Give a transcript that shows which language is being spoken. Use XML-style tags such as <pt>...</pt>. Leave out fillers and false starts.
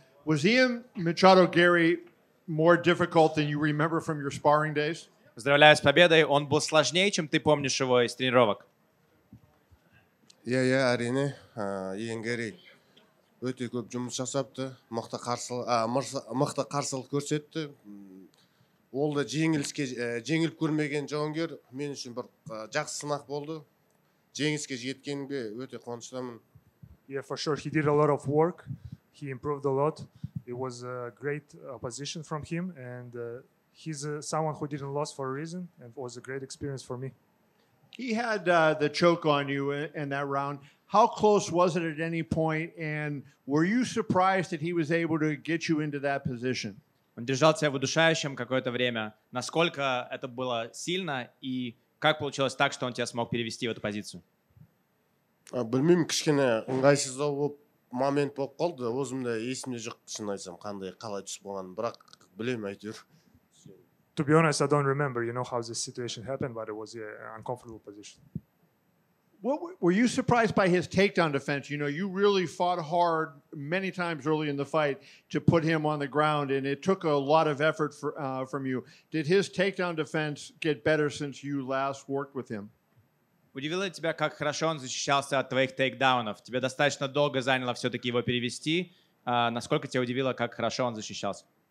<en>Was Ian Machado Gary more difficult than you remember from your sparring days?</en> <ru>Поздравляю с победой. Он был сложнее, чем ты помнишь его из тренировок.</ru> <en>Yeah,</en> <kk>Арине, Ian Gary. Өте көп жұмыс жасапты, мықты қарсылық көрсетті. Ол да жеңіліп көрмеген жауынгер, мен үшін бір жақсы сынақ болды. Жеңіске жеткенге өте қуаныштымын.</kk> <en>Yeah, for sure, he did a lot of work. He improved a lot. It was a great opposition from him, and he's someone who didn't lose for a reason, and it was a great experience for me. He had the choke on you in that round. How close was it at any point, and were you surprised that he was able to get you into that position?</en> <ru>Он держал тебя в удушающем какое-то время. Насколько это было сильно, и как получилось так, что он тебя смог перевести в эту позицию?</ru> <kk>Білмеймін, кішкене ыңғайсыздау болып момент болып қалды. Өзімде есімде жоқ, шын айтсам, қандай қалай түсіп болғанын, бірақ білемін әйтеуір.</kk> <en>To be honest, I don't remember, you know, how this situation happened, but it was an uncomfortable position. What were you surprised by his takedown defense? You know, you really fought hard many times early in the fight to put him on the ground, and it took a lot of effort from you. Did his takedown defense get better since you last worked with him?</en> <ru>Удивило ли тебя, как хорошо он защищался от твоих тейкдаунов? Тебе достаточно долго заняло все-таки его перевести. Насколько тебя удивило, как хорошо он защищался?</ru>